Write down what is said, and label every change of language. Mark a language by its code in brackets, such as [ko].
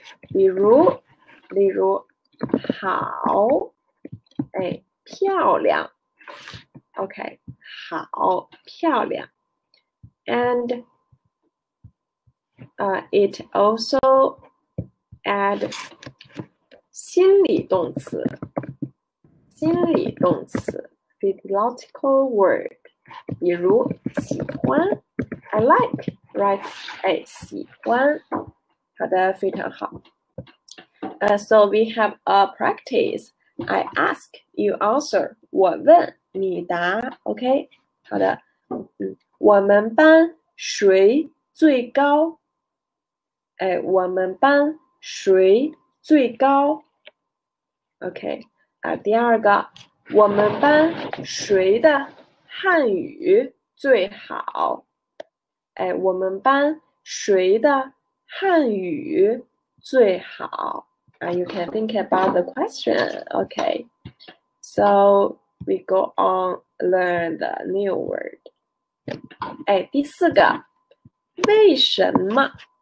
[zh] 例如，好，哎，漂亮，OK，好，漂亮。 [en] And it also add [zh] 心理动词，心理动词 [en] physiological word。 [zh] 比如喜欢， [en] I like，right？ [zh] 哎，喜欢，好的，非常好。 [en] So we have a practice. I ask, you answer. [zh] 我问，你答。OK，好的。我们班谁最高？哎，我们班谁最高？OK，第二个，我们班谁的？汉语最好，哎，我们班谁的汉语最好？ [en] You can think about the question. Okay, so we go on learn the new word. [zh] 哎，第四个，为什么？